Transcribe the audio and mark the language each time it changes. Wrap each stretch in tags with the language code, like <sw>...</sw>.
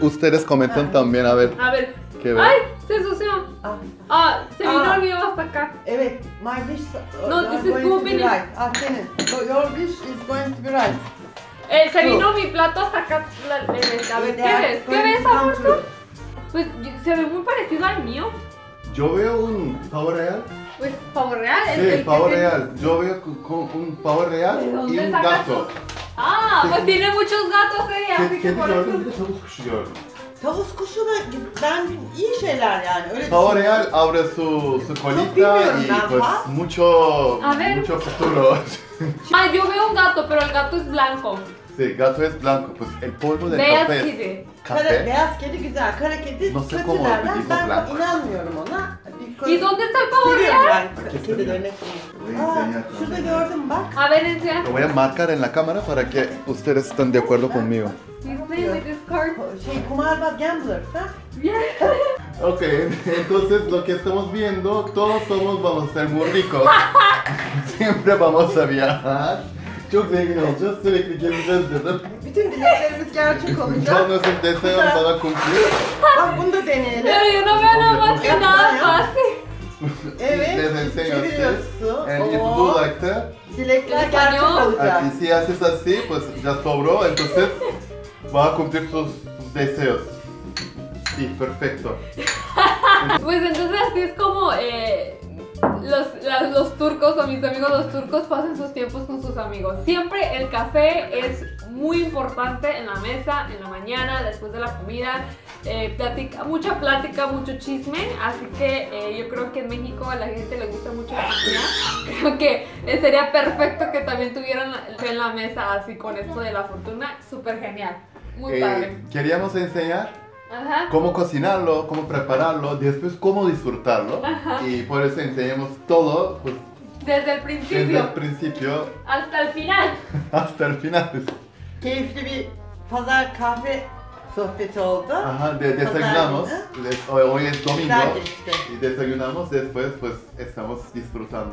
<es>Ustedes comenten también, a ver. A ver. ¿Qué ve? Ay, sensación. Ah, se vino el mío hasta acá.</es> <tr>Evet,</tr> <en>my wish. No, this is going to be right.</en> <tr>Ah, senin.</tr> <en>Your wish is going to be right.</en> <es>Se vino mi plato hasta acá. A ver, ¿qué ves? ¿Qué ves, Augusto? Pues se ve muy parecido al mío. Yo veo un pavo real. Pues pavo real. Sí, pavo real. Yo veo un pavo real y un gato. Ah, pues tiene muchos gatos ella.</es> <tr>Kendi gördüm de tavus kuşu gördüm. Tavus kuşu da ben iyi şeyler yani. Öyle</tr> <es>pavo real abre su colita y pues mucho mucho futuro. Ah, yo veo un gato, pero el gato es blanco. Sí, gato es blanco, pues el polvo del</es> <tr>beyaz</tr> <es>café.</es> <tr>Beyaz kedi.</tr> <es>Café.</es> <tr>Beyaz kedi güzel, kara kedi</tr> <es>no sé</es> <tr>kötü derler.</tr> <es>Ben blanco.</es> <tr>İnanmıyorum ona.</tr> <es>¿Y dónde está el pavo real?</es> <tr>Kedi dönüşüyor. Şurada gördüm bak.</tr> <es>A ver, enseñar. Lo voy a marcar en la cámara para que ustedes estén de acuerdo conmigo.</es> <en>He's playing with this card.</en> <tr>Şey, kumarbaz gambler,</tr> <es>¿sabes?</es> <en>Yeah.</en> <es>Ok, entonces lo que estamos viendo, todos somos vamos a ser muy ricos. Siempre vamos a viajar.</es> <tr>Çok zengin olacağız, sürekli gezeceğiz dedim. Bütün dileklerimiz gerçek olacak. Son özüm deseyim bana kumpir. Bak bunu da deneyelim. Ya yana ben olmaz ki daha fazla. Evet, çeviriyorsun.</tr> <en>And if you like the...</en> <tr>Dilekler gerçek olacak.</tr> <es>Si haces así, pues ya sobró. Entonces, va a cumplir sus deseos. Sí, perfecto. Pues entonces así es como... Los turcos o mis amigos los turcos pasan sus tiempos con sus amigos. Siempre el café es muy importante en la mesa, en la mañana, después de la comida. Mucha plática, mucho chisme. Así que yo creo que en México a la gente le gusta mucho la comida. Creo que sería perfecto que también tuvieran en la mesa así con esto de la fortuna. Súper genial. Muy padre. Queríamos enseñar. Ajá. Cómo cocinarlo, cómo prepararlo, después cómo disfrutarlo. Ajá. Y por eso enseñamos todo pues, desde el principio. Desde el principio. Hasta el final. Hasta el final.</es> <tr>Keyifli bir pazar kahve sohbeti oldu.</tr> <es>Ajá, desayunamos. Hoy es domingo. Y desayunamos después pues estamos disfrutando.</es>